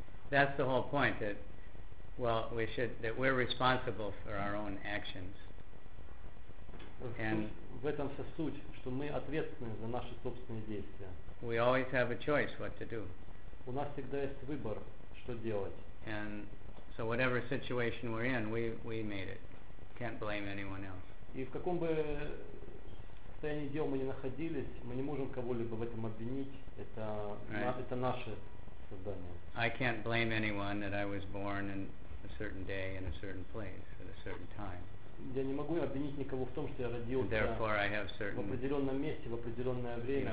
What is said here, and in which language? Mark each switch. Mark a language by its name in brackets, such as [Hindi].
[English] That's the whole point that, well, we should, that we're responsible for our own actions. And [Russian] в этом вся суть, что мы ответственны за наши собственные действия. [English] We always have a choice what to do. [Russian] У нас всегда есть выбор, что делать. [English] And so whatever situation we're in, we made it. Can't blame anyone else. [Russian] И в каком бы состоянии дел мы ни находились, мы не можем кого-либо в этом обвинить. Это, [English] right. [Russian] Это наше создание. [English] I can't blame anyone that I was born in a certain day in a certain place at a certain time. [Russian] Я не могу обвинить никого в том, что я родился в определенном месте в определенное время.